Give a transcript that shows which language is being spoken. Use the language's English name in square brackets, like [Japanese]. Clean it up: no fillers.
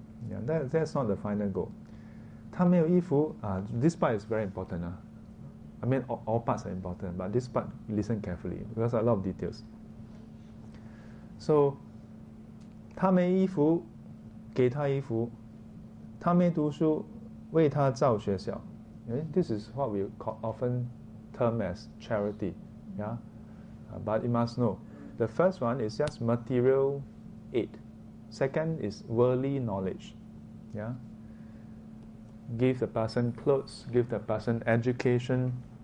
[English] Yeah, that's not the final goal. 他没有衣服, this part is very important. I mean all parts are important, but this part, listen carefully, because a lot of details. [Chinese] So, 他没衣服, 给他衣服, 他没读书, 为他造学校. [English] This is what we often term as charity. Yeah? But you must know, the first one is just material aid. Second is worldly knowledge. Yeah? Give the person clothes, give the person education.